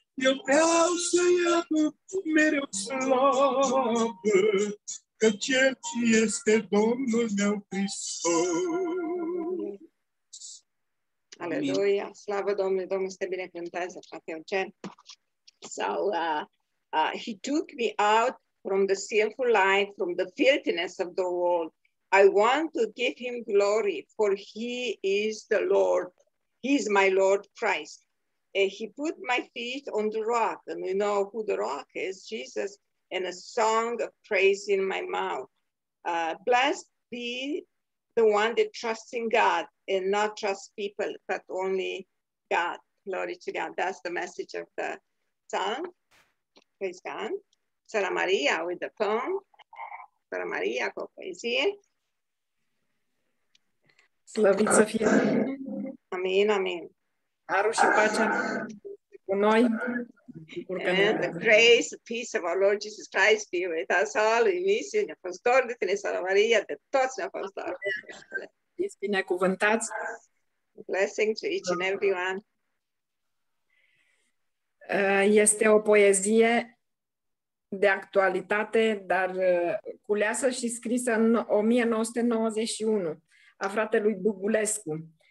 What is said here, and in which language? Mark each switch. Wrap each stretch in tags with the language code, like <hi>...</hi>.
<ro>Eu vreau să-i aduc mereu slavă, că cel este Domnul meu Hristos. Aleluia! Slavă Domnului! Domnul să te binecuvânteze, frate Eugen!</ro> <en>So he took me out from the sinful life, from the filthiness of the world. I want to give him glory, for he is the Lord. He is my Lord Christ. He put my feet on the rock, and we know who the rock is, Jesus, and a song of praise in my mouth. Blessed be the one that trusts in God and not trust people, but only God. Glory to God. That's the message of the song. Praise God. Sara Maria with the poem.</en> <ro>Sara Maria cu poezie. Slăvit să fie. Amin, amin. Harul și pacea cu noi.</ro> <en>And the grace, the peace of our Lord Jesus Christ be with us all.</en> <ro>Inisiu ne-a fost dor de tine, Sara Maria, de toți ne-a fost dor. Fiți binecuvântați.</ro> <en>Blessing to each and everyone.</en> <ro>Este o poezie de actualitate, dar culeasă și scrisă în 1991 a fratelui Bugulescu.</ro>